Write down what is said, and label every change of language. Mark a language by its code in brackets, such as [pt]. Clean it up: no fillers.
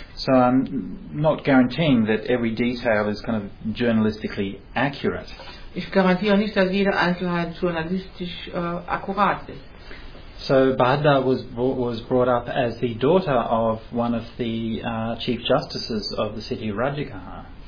[en] So I'm not guaranteeing that every detail is kind of journalistically accurate. [de] Ich garantiere nicht, dass jede Einzelheit journalistisch akkurat ist. [en] So Bahadur was brought up as the daughter of one of the chief justices of the city of Rajagaha.